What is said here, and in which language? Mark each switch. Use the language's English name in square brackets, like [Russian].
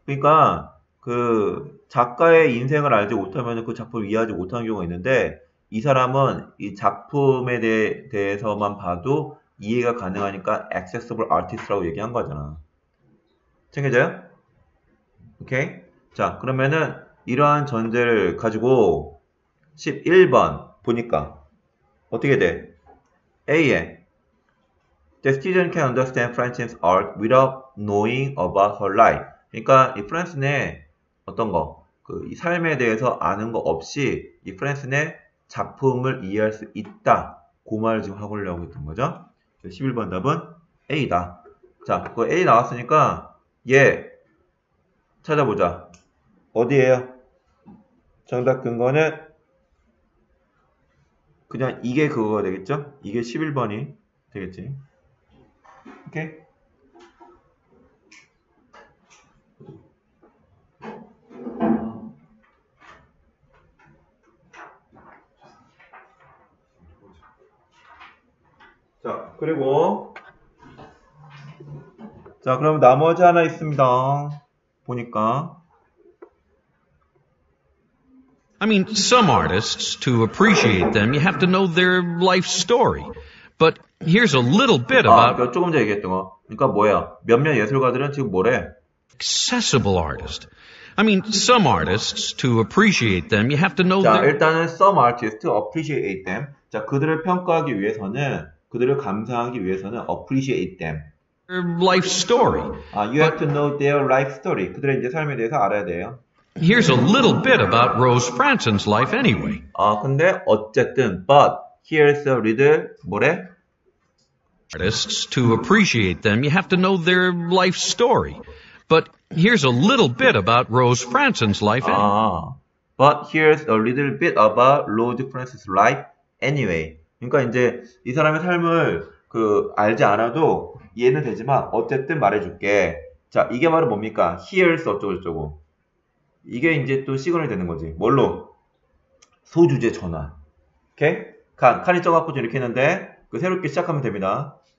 [Korean] 그러니까 그 작가의 인생을 알지 못하면 그 작품을 이해하지 못하는 경우가 있는데, 이 사람은 이 작품에 대해서만 봐도 이해가 가능하니까 accessible artist라고 얘기한 거잖아. 챙겨져요? 오케이? 자, 그러면은 이러한 전제를 가지고 11번 보니까 어떻게 돼? [English] A에 The student can understand Francine's art without knowing about her life. [Korean] 그러니까 이 프랜신의 어떤 거? 그 이 삶에 대해서 아는 거 없이 이 프랜신의 작품을 이해할 수 있다. 그 말을 지금 하고려고 했던 거죠. 11번 답은 A다. 자, 그거 A 나왔으니까 예. 찾아보자. 어디에요? 정답 근거는 그냥 이게 그거가 되겠죠? 이게 11번이 되겠지. 오케이. 자, 그리고 자, 그럼 나머지 하나 있습니다. 보니까 [English] I mean, some artists, to appreciate them, you have to know their life story. But here's a little bit about... [Korean] 아, 조금 전에 얘기했던 거. 그러니까 뭐야? 몇몇 예술가들은 지금 뭐래? [English] Accessible artist. I mean, some artists, to appreciate them, you have to know... [Korean] 자, 일단은 [English] some artists, to appreciate them. [Korean] 자, 그들을 평가하기 위해서는, 그들을 감상하기 위해서는 appreciate them. [English] Their life story. 아, you have to know their life story. [Korean] 그들의 이제 삶에 대해서 알아야 돼요. [English] Here's a little bit about Rose Franson's life anyway. [Korean] 아, 근데 어쨌든, [English] but here's a little [Korean] 뭐래? [English] Artists, to appreciate them, you have to know their life story. But here's a little bit about Rose Franson's life anyway. 아, but here's a little bit about Rose Franson's life anyway. [Korean] 그러니까 이제 이 사람의 삶을 그 알지 않아도 이해는 되지만 어쨌든 말해줄게. 자, 이게 바로 뭡니까? Here's 어쩌고저쩌고. 이게 이제 또 시그널이 되는 거지. 뭘로? 소주제 전환. 오케이? 칸, 칸이 쪄갖고 이렇게 했는데, 그 새롭게 시작하면 됩니다.